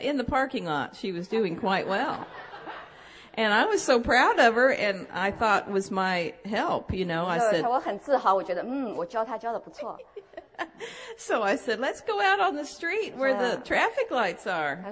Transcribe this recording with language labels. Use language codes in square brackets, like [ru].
[en] in the parking lot, she was doing quite well. And I was so proud of her, and I thought was my help, you know. I said. [zh] 我很自豪，我觉得我教他教的不错。 [en] So I said, let's go out on the street where the traffic lights are.